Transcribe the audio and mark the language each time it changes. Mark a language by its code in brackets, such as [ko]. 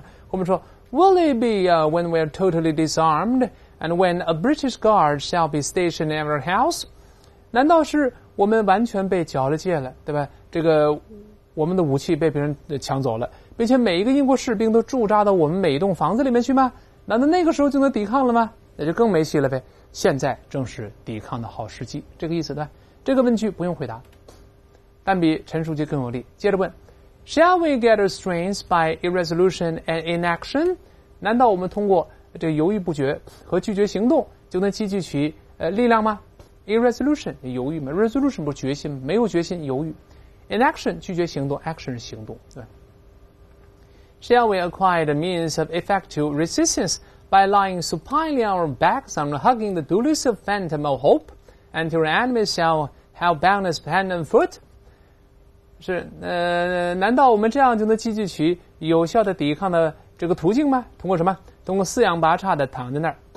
[zh] 我们说 [en] Will it be when we are totally disarmed and when a British guard shall be stationed in our house? [zh] 难道是我们完全被缴了械了，对吧？这个我们的武器被别人抢走了，并且每一个英国士兵都驻扎到我们每一栋房子里面去吗？难道那个时候就能抵抗了吗？那就更没戏了呗，现在正是抵抗的好时机，这个意思对吧？这个问句不用回答，但比陈书记更有力。接着问 [en] ：Shall we gather strength by irresolution and inaction？ [zh] 难道我们通过这个犹豫不决和拒绝行动就能积聚起力量吗 ？Irresolution 犹豫吗 ？Resolution 不是决心，没有决心犹豫。 Inaction 拒绝行动 ，action 是行动，对。 [en] Shall we acquire the means of effective resistance？ By lying supinely on our backs and hugging the delusive phantom of hope, until our enemy shall have bound us hand and foot. [zh] 是难道我们这样就能积极取有效的抵抗的这个途径吗？通过什么？通过四仰八叉的躺在那儿。